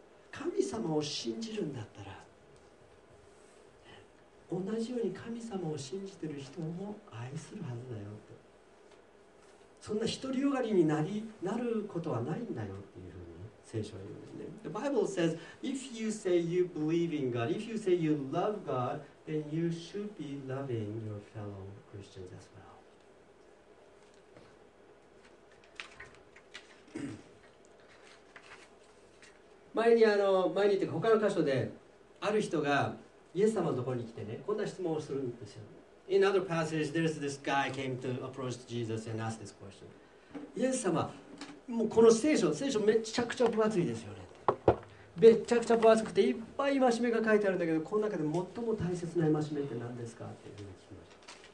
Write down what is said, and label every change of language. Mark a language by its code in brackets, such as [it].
[ja] 神様を信じるんだったら、同じように神様を信じている人も愛するはずだよって。そんな独りよがりになることはないんだよっていうふうに聖書は言うんですね。 [en] The Bible says, if you say you believe in God, if you say you love God, then you should be loving your fellow Christians as well. [ja] 前に他の箇所で、ある人がイエス様のところに来てね、こんな質問をするんですよ。 [en] In other passages, there's this guy came to approach Jesus and asked this question. [ja] イエス様、もうこの聖書めちゃくちゃ分厚いですよね。めちゃくちゃ分厚くていっぱい戒めが書いてあるんだけど、この中で最も大切な戒めって何ですかっていうふうに聞きました。